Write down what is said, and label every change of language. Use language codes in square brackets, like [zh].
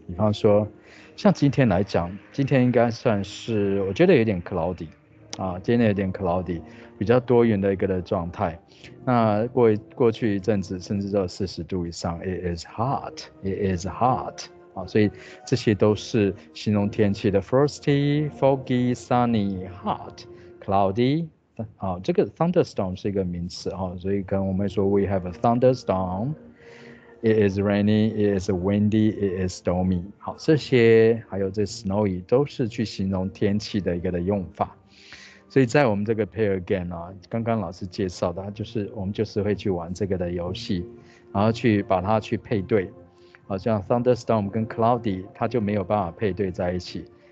[zh] 比方说，像今天来讲，今天应该算是我觉得有点 cloudy 啊，今天有点 cloudy，比较多云的一个的状态。那过去一阵子，甚至到40度以上， [en] It is hot，It is hot。 [zh] 啊，所以这些都是形容天气的：frosty、foggy、sunny、hot、cloudy。啊，这个 thunderstorm 是一个名词啊，所以跟我们说 [en] "We have a thunderstorm," "It is rainy," "It is windy," "It is stormy." [zh] 好，这些还有这 snowy 都是去形容天气的一个的用法。所以在我们这个 pair game 啊，刚刚老师介绍的，就是我们就是会去玩这个的游戏，然后去把它去配对。好像 thunderstorm 跟 cloudy，它就没有办法配对在一起。